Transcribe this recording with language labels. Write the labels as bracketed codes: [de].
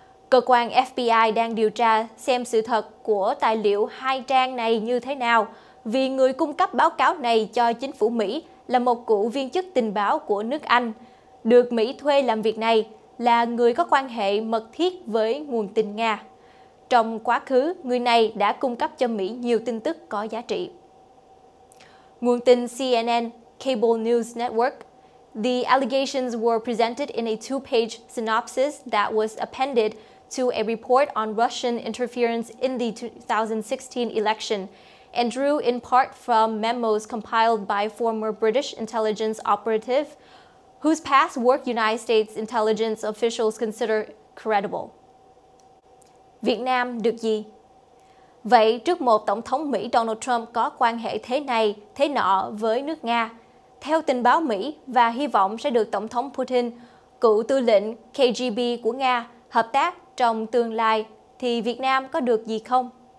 [vi] Cơ quan FBI đang điều tra xem sự thật của tài liệu hai trang này như thế nào, vì người cung cấp báo cáo này cho chính phủ Mỹ là một cựu viên chức tình báo của nước Anh, được Mỹ thuê làm việc này, là người có quan hệ mật thiết với nguồn tin Nga. Trong quá khứ, người này đã cung cấp cho Mỹ nhiều tin tức có giá trị. Nguồn tin [en] CNN, Cable News Network: The allegations were presented in a two-page synopsis that was appended to a report on Russian interference in the 2016 election and drew in part from memos compiled by former British intelligence operative whose past work United States intelligence officials consider credible. [vi] Việt Nam được gì? Vậy trước một Tổng thống Mỹ Donald Trump có quan hệ thế này, thế nọ với nước Nga, theo tình báo Mỹ và hy vọng sẽ được Tổng thống Putin, cựu tư lệnh KGB của Nga, hợp tác trong tương lai, thì Việt Nam có được gì không?